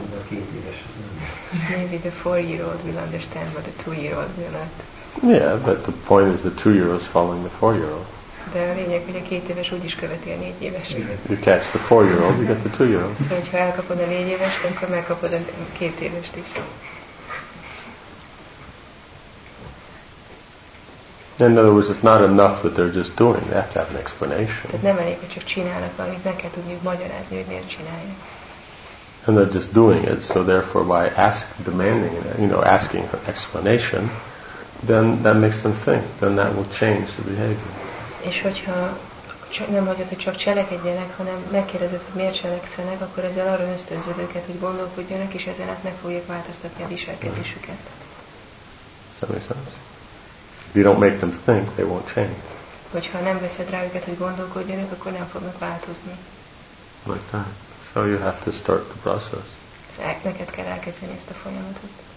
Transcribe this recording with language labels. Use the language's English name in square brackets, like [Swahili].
[English] Maybe the 4-year-old will understand what the 2-year-old will not. Yeah, but the point is the 2-year-old is following the 4-year-old. [Hungarian] De a lényeg, hogy a 2 éves úgyis követi a 4 éveset. [English] You catch the 4-year-old, you get the 2-year-old. [Hungarian] So, hogyha elkapod a 4 évest, akkor megkapod a 2 évest is. [English] In other words, it's not enough that they're just doing. They have to have an explanation. [Hungarian] Tehát nem elég, hogy csak csinálnak valamit, meg kell tudniuk magyarázni, hogy miért csinálják. [English] And they're just doing it, so therefore by demanding, you know, asking for explanation, then that makes them think. Then that will change the behavior. [Hungarian] És hogyha nem hagyod, hogy csak cselekedjenek, hanem megkérdezed, hogy miért cselekszenek, akkor ezzel arra ösztönzöd őket, hogy gondolkodjanak, és ezen át meg fogják változtatni a viselkedésüket. [English] Does that make sense? If you don't make them think, they won't change. [Hungarian] Hogyha nem veszed rá őket, hogy gondolkodjanak, akkor nem fognak változni. [English] Like that. So you have to start the process. [Hungarian] Neked kell elkezdeni ezt a folyamatot.